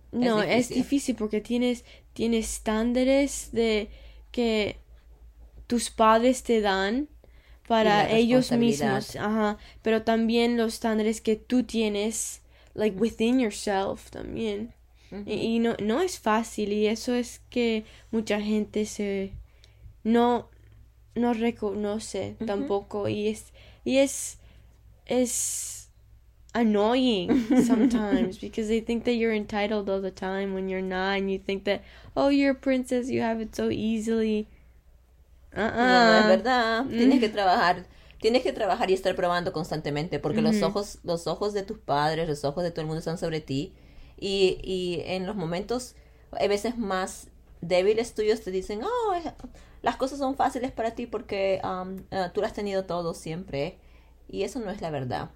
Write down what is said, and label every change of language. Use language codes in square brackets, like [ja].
[es] No, es difícil. difícil porque tienes estándares de que tus padres te dan Y la para ellos responsabilidad. mismos, ajá, pero también los estándares que tú tienes, [en] like within yourself [es] también. Y no, no es fácil y eso es que mucha gente no reconoce tampoco y es [en] annoying sometimes because they think that you're entitled all the time when you're not, and you think that, oh, you're a princess, you have it so easily. [es] Bueno, es verdad, tienes que trabajar y estar probando constantemente, porque los ojos de tus padres, los ojos de todo el mundo están sobre ti, y en los momentos a veces más débiles tuyos te dicen, oh, las cosas son fáciles para ti porque tú lo has tenido todo siempre. Y eso no es la verdad.